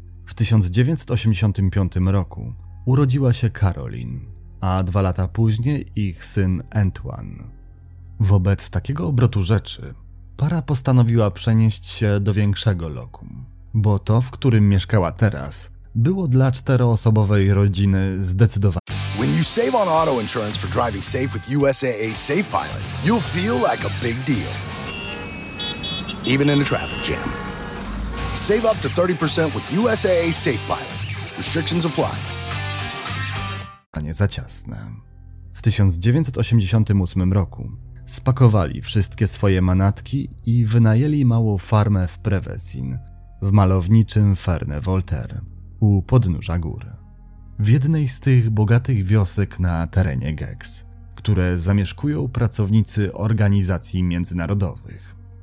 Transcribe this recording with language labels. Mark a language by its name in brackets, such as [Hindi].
[Polish] W 1985 roku urodziła się Caroline, a dwa lata później ich syn Antoine. Wobec takiego obrotu rzeczy para postanowiła przenieść się do większego lokum, bo to, w którym mieszkała teraz, było dla czteroosobowej rodziny zdecydowanie. [English] When you save on auto insurance for driving safe with USAA Safe Pilot, you feel like a big deal. Even in a traffic jam. Save up to 30% with USAA Safe Pilot. Restrictions apply. [Polish] A nie za ciasne. W 1988 roku spakowali wszystkie swoje manatki i wynajęli małą farmę w Prevesin, w malowniczym Ferne Voltaire, u podnóża gór. W jednej z tych bogatych wiosek na terenie Gex, które zamieszkują pracownicy organizacji międzynarodowych.